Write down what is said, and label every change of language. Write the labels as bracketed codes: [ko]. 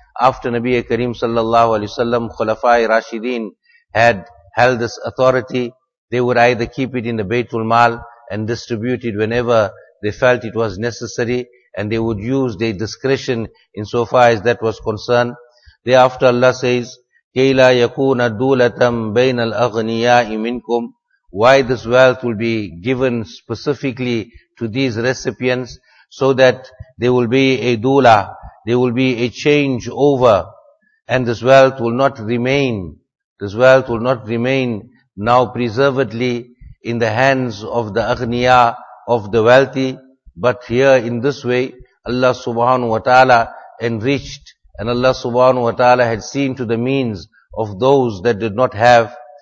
[en] After Nabi Kareem sallallahu alayhi wa sallam, Khulafai Rashideen had held this authority, they would either keep it in the Baytul Mal and distribute it whenever they felt it was necessary, and they would use their discretion insofar as that was concerned. Thereafter Allah says, [ar] كَيْلَا يَكُونَ دُولَةً بَيْنَ الْأَغْنِيَاءِ مِنْكُمْ. [en] Why this wealth will be given specifically to these recipients, so that there will be a dula, there will be a change over, and this wealth will not remain, this wealth will not remain now preservedly in the hands of the aghniya, of the wealthy, but here in this way, Allah subhanahu wa ta'ala enriched, and Allah subhanahu wa ta'ala had seen to the means of those that did not have.